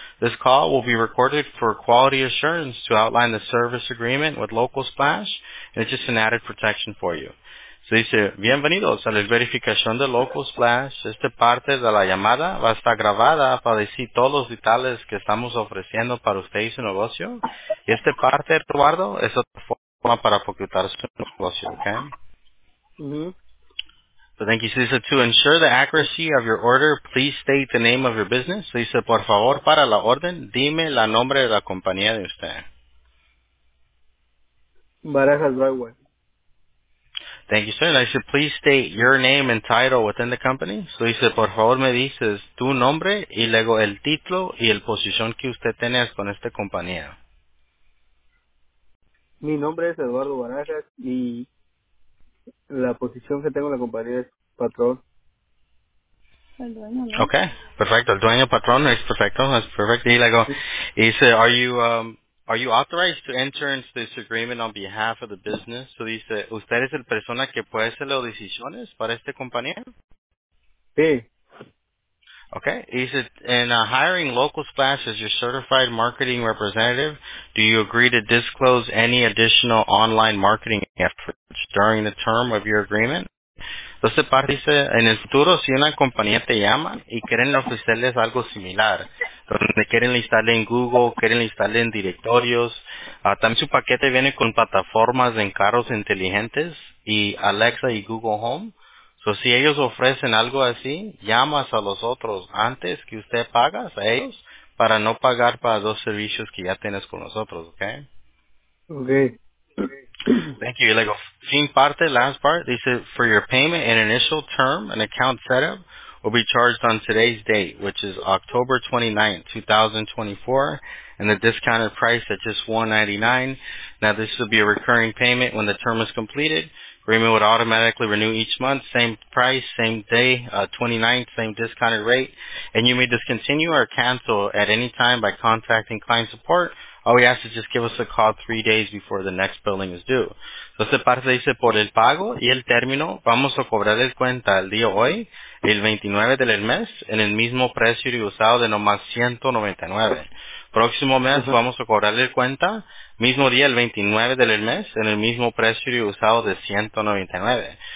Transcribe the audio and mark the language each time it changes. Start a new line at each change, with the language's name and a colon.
English: This call will be recorded for quality assurance to outline the service agreement with Local Splash. And it's just an added protection for you.
Spanish: Se dice, bienvenidos a la verificación de Local Splash. Esta parte de la llamada va a estar grabada para decir todos los detalles que estamos ofreciendo para usted y su negocio. Y esta parte, Eduardo, es otra forma para ocultar su negocio, ¿ok? Mm-hmm.
English: So thank you.
Spanish: Se dice,
English: to ensure the accuracy of your order, please state the name of your business.
Spanish: Se dice, por favor, para la orden, dime el nombre de la compañía de usted. Barajas Broadway.
English: Thank you, sir. And I said, please state your name and title within the company. So he said,
Spanish: por favor, me dices tu nombre y luego el título y el posición que usted tiene con esta compañía. Mi nombre es Eduardo Barajas y la posición que tengo en la compañía es patrón. El dueño, ¿no? Okay, perfecto. El dueño patrón es perfecto.
English: That's perfect.
Spanish: Y luego,
English: he said, Are you authorized to enter into this agreement on behalf of the business?
Spanish: So dice, ¿usted es el persona que puede hacer las decisiones para esta compañía? Sí.
English: Okay. Is it in hiring local splash as your certified marketing representative? Do you agree to disclose any additional online marketing efforts during the term of your agreement?
Spanish: Entonces, Pat dice, en el futuro, si una compañía te llama y quieren ofrecerles algo similar, donde quieren listarle en Google, quieren listarle en directorios, también su paquete viene con plataformas en carros inteligentes y Alexa y Google Home. So, si ellos ofrecen algo así, llamas a los otros antes que usted pagas a ellos para no pagar para dos servicios que ya tienes con nosotros, ¿ok? Ok.
English: Thank you. Like,
Spanish: fin parte,
English: last part, they said, for your payment, an initial term, an account setup, will be charged on today's date, which is October 29, 2024, and the discounted price at just $199. Now, this will be a recurring payment when the term is completed. Agreement would automatically renew each month, same price, same day, 29th, same discounted rate, and you may discontinue or cancel at any time by contacting client support. All we ask is just give us a call 3 days before the next billing is due.
Spanish: Entonces, parte dice, por el pago y el término, vamos a cobrar el cuenta el día hoy, el 29 del mes, en el mismo precio y usado de nomás $199. Próximo mes, uh-huh. Vamos a cobrar el cuenta, mismo día, el 29 del mes, en el mismo precio y usado de $199.